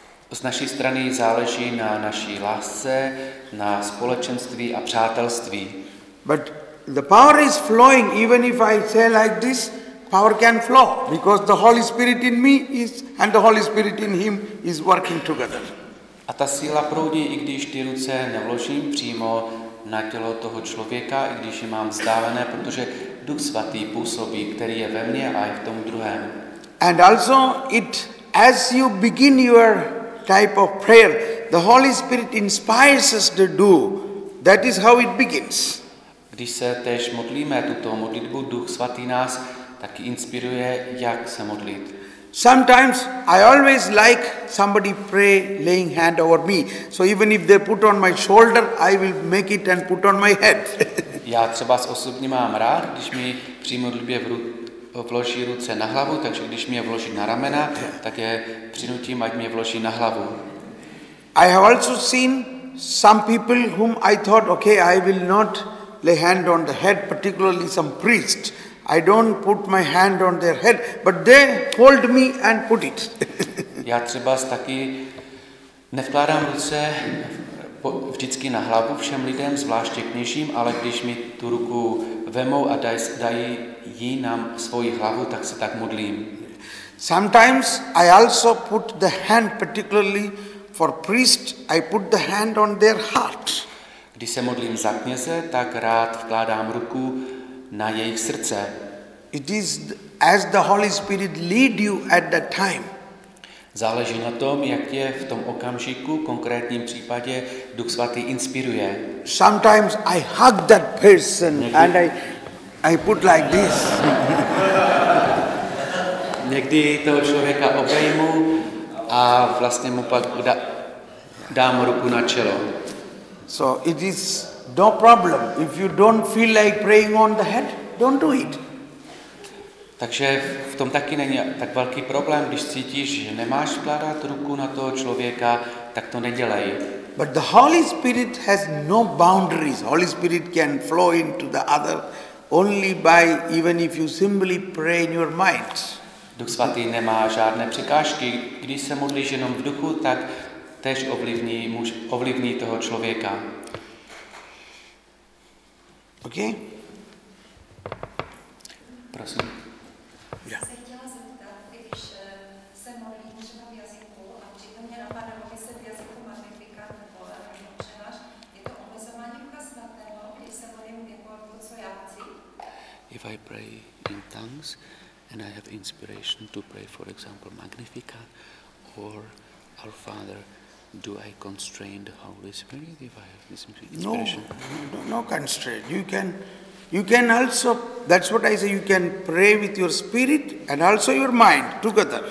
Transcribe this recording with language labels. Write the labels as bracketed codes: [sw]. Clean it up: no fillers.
[cs] Z naší strany záleží na naší lásce, na společenství a přátelství. [en] But the power is flowing even if I say like this. Power can flow because the Holy Spirit in me is and the Holy Spirit in him is working together. [cs] A ta síla proudí, i když ty ruce nevložím přímo na tělo toho člověka, i když je mám vzdálené, protože Duch svatý působí, který je ve mně a je v tom druhém. [en] And also it as you begin your type of prayer, the Holy Spirit inspires us to do. That is how it begins. [cs] Když se též modlíme tuto modlitbu, Duch Svatý nás taky inspiruje, jak se modlit. [en] Sometimes I always like somebody pray laying hand over me. So even if they put on my shoulder, I will make it and put on my head. [cs] Já třeba osobně mám rád, když mi při modlitbě vloží ruce na hlavu, takže když mi je vloží na ramena, tak je přinutím, ať mi je vloží na hlavu. [en] I have also seen some people whom I thought, okay, I will not lay hand on the head, particularly some priest. I don't put my hand on their head, but they hold me and put it. [cs] Já třeba taky nevkládám ruce vždycky na hlavu všem lidem, zvláště kněžím, ale když mi tu ruku vemou a dají jí nám svoji hlavu, tak se tak modlím. [en] Sometimes I also put the hand, particularly for priest, I put the hand on their heart. [cs] Když se modlím za kněze, tak rád vkládám ruku na jejich srdce. [en] It is as the Holy Spirit lead you at that time. [cs] Záleží na tom, jak tě v tom okamžiku, konkrétním případě, Duch Svatý inspiruje. [en] Sometimes I hug that person and I put like this. [cs] Někdy toho člověka obejmu a vlastně mu pak dám ruku na čelo. [en] So it is no problem. If you don't feel like praying on the head, don't do it. [cs] Takže v tom taky není tak velký problém, když cítíš, že nemáš vkládat ruku na toho člověka, tak to nedělej. [en] But the Holy Spirit has no boundaries. Holy Spirit can flow into the other only by even if you simply pray in your mind. [cs] Duch Svatý nemá žádné překážky. Když se modlíš jenom v duchu, tak též ovlivní toho člověka. [en] OK? [cs] Prosím. Já se chtěla zeptat, když se modlím třeba v jazyku a přitom mě napadá, aby se v jazyku magnifikát nebo přenáš, je to omezování ducha svatého, když se modlím jako to, co já chci? [en] If I pray in tongues and I have inspiration to pray, for example, magnificat or our father, do I constrain the Holy Spirit if I have this inspiration? No constraint. You can also, that's what I say, you can pray with your spirit and also your mind together.